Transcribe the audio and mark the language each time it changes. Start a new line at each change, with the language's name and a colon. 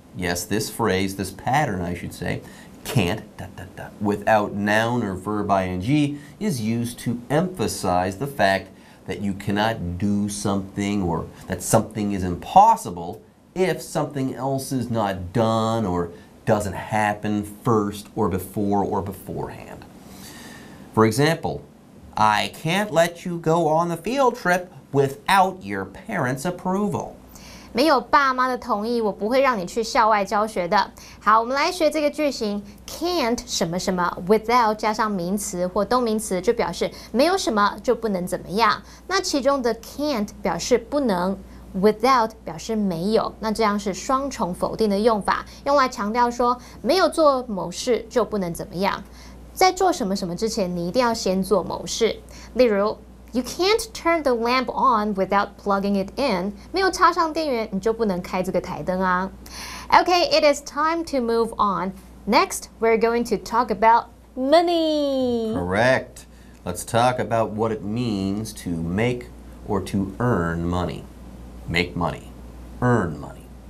English: Yes, this phrase, this pattern, I should say, can't, dot, dot, dot, without noun or verb ing, is used to emphasize the fact that you cannot do something or that something is impossible if something else is not done or doesn't happen first or before or beforehand. For example,I can't let you go on the field trip without your parents' approval.
Chinese: 没有爸妈的同意，我不会让你去校外教学的。好，我们来学这个句型 ，can't 什么什么 without 加上名词或动名词，就表示没有什么就不能怎么样。那其中的 can't 表示不能 ，without 表示没有，那这样是双重否定的用法，用来强调说没有做某事就不能怎么样。在做什么什么之前，你一定要先做某事。
English: 例如 ，You can't turn the lamp on without plugging it in.
Chinese: 没有插上电源，你就不能开这个台灯啊。
English: Okay, it is time to move on. Next, we're going to talk about Money. Correct. Let's talk about what it means to make or to earn money. Make money. Earn money.